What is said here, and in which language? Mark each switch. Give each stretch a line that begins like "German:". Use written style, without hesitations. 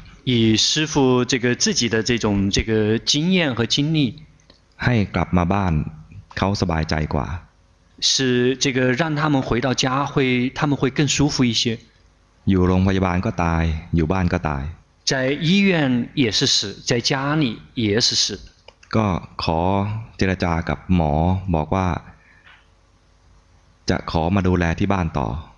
Chinese: 以师父这个自己的这种这个经验和经历
Thai: ให้กลับมาบ้านเขาสบายใจกว่า
Chinese: 是这个让他们回到家会他们会更舒服一些
Thai: อยู่โรงพยาบาลก็ตายอยู่บ้านก็ตาย
Chinese: 在医院也是死在家里也是死
Thai: ก็ขอเจรจากับหมอบอกว่าจะขอมาดูแลที่บ้านต่อ